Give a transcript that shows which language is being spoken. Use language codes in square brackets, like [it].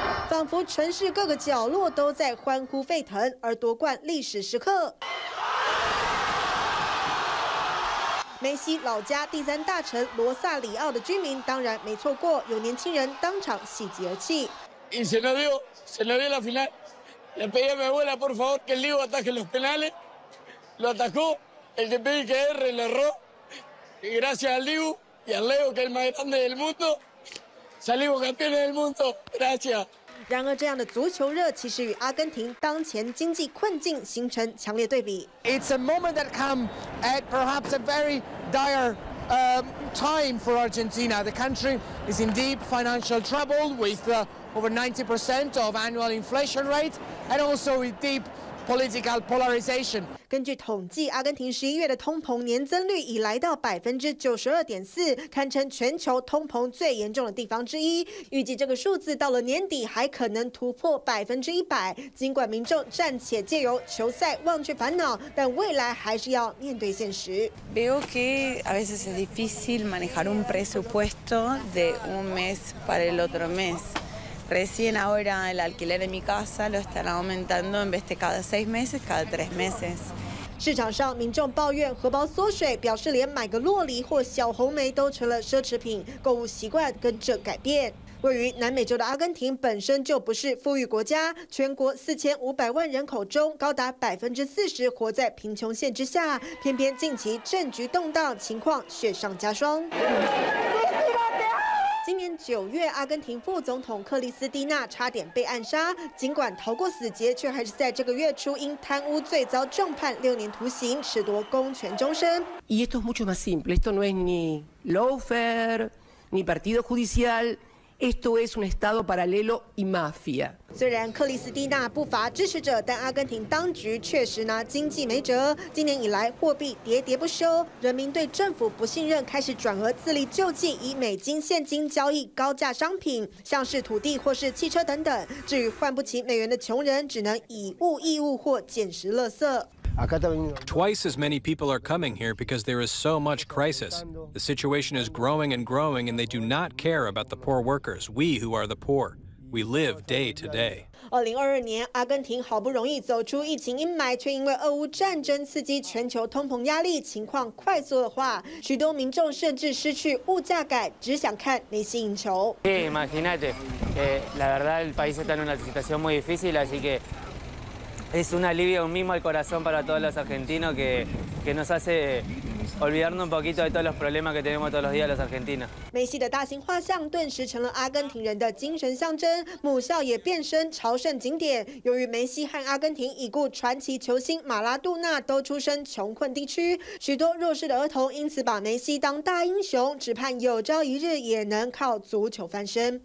[zh] 仿佛城市各个角落都在欢呼沸腾，而夺冠历史时刻，梅西老家第三大城罗萨里奥的居民当然没错过，有年轻人当场喜极而泣。 [es] Y se nos dio, se nos dio la final. Le pedí a mi abuela por favor que el lío ataque los penales. Lo atacó, el de PIKR le erró. Y gracias al lío y al Leo que es el más grande del mundo, salimos campeones del mundo. Gracias. [zh] 然而，这样的足球热其实与阿根廷当前经济困境形成强烈对比。 [en] It's a moment that come at perhaps a very dire time for Argentina. The country is in deep financial trouble with over 90% of annual inflation rate, and also with deep political polarization. [zh] 根据统计，阿根廷十一月的通膨年增率已来到92.4%，堪称全球通膨最严重的地方之一。预计这个数字到了年底还可能突破100%。尽管民众暂且借由球赛忘却烦恼，但未来还是要面对现实。 [es] Veo que a veces es difícil manejar un presupuesto de un mes para el otro mes. Recién ahora el alquiler de mi casa lo están aumentando en vez de cada 6 meses, cada 3 meses. [zh] 市场上民众抱怨荷包缩水，表示连买个洛梨或小红梅都成了奢侈品，购物习惯跟着改变。位于南美洲的阿根廷本身就不是富裕国家，全国4500万人口中高达40%活在贫穷线之下，偏偏近期政局动荡，情况雪上加霜。今年9月，阿根廷副总统克里斯蒂娜差点被暗杀，尽管逃过死劫，却还是在这个月初因贪污罪遭重判6年徒刑，褫夺公权终身。 [es] Y esto es mucho más simple. Esto no es ni lawfare, ni partido judicial. Esto es un estado paralelo y mafia. [zh] 虽然克里斯蒂娜不乏支持者，但阿根廷当局确实拿经济没辙。今年以来，货币跌跌不休，人民对政府不信任，开始转而自力救济，以美金、现金交易高价商品，像是土地或是汽车等等。至于换不起美元的穷人，只能以物易物或捡拾垃圾。 [en] Twice as many people are coming here because there is so much crisis. The situation is growing and growing, and they do not care about the poor workers, we who are the poor. We live day to day. [zh] 2022年，阿根廷好不容易走出疫情阴霾，却因为俄乌战争刺激全球通膨压力，情况快速恶化。许多民众甚至失去物价感，只想看梅西赢球。 [es] Imagínate, la verdad, el país está en una situación muy difícil, así que. Es un alivio, un mimo al corazón para todos los argentinos que nos hace olvidarnos un poquito de todos los problemas que tenemos todos los días los argentinos. [zh] 梅西的大型画像顿时成了阿根廷人的精神象征，母校也变身朝圣景点。由于梅西和阿根廷已故传奇球星马拉杜纳都出身穷困地区，许多弱势的儿童因此把梅西当大英雄，只盼有朝一日也能靠足球翻身。